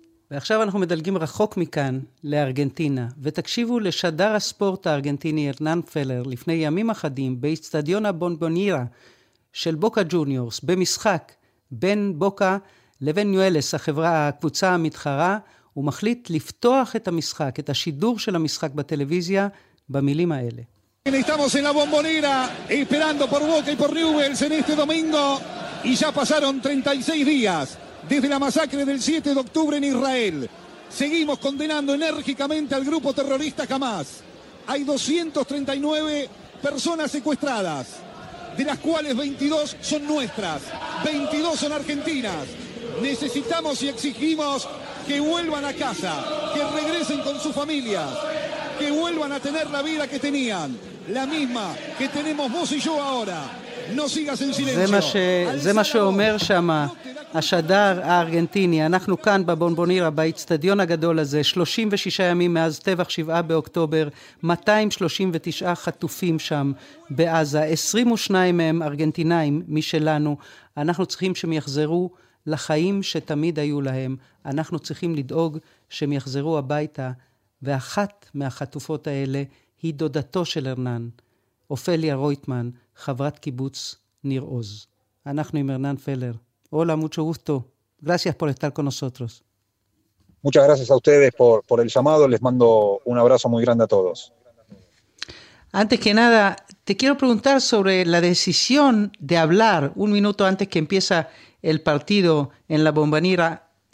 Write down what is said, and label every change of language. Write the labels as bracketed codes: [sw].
[he] ועכשיו אנחנו מדלגים רחוק מכאן לארגנטינה, ותקשיבו לשדר הספורט הארגנטיני ארנן פלר לפני ימים אחדים באצטדיון הבונבונירה של בוקה ג'וניורס, במשחק בין בוקה לבין ניואלס, החברה, הקבוצה המתחרה, ומחליט לפתוח את המשחק, את השידור של המשחק בטלוויזיה, במילים האלה. [es] Estamos en la Bombonera, esperando por Boca y por Newell's en este domingo, y ya pasaron 36 días. Desde la masacre del 7 de octubre en Israel, seguimos condenando enérgicamente al grupo terrorista Hamas. Hay 239 personas secuestradas, de las cuales 22 son nuestras, 22 son argentinas. Necesitamos y exigimos que vuelvan a casa, que regresen con sus familias, que vuelvan a tener la vida que tenían, la misma que tenemos vos y yo ahora. No sigas en silencio. [he] זה מה שאומר שמה השדר הארגנטיני. אנחנו כאן בבונבונירה, באצטדיון הגדול הזה, 36 ימים מאז טבח 7 באוקטובר, 239 חטופים שם בעזה, 22 מהם ארגנטינאים משלנו. אנחנו צריכים שהם יחזרו לחיים שתמיד היו להם. אנחנו צריכים לדאוג שהם יחזרו הביתה, ואחת מהחטופות האלה היא דודתו של ארנן, אופליה רויטמן, חברת קיבוץ ניר עוז. אנחנו עם ארנן פלר. [es] Hola, mucho gusto. Gracias por estar con nosotros. Muchas gracias a ustedes por el llamado. Les mando un abrazo muy grande a todos. Antes que nada, te quiero preguntar sobre la decisión de hablar un minuto antes que empieza el partido en la Bombonera.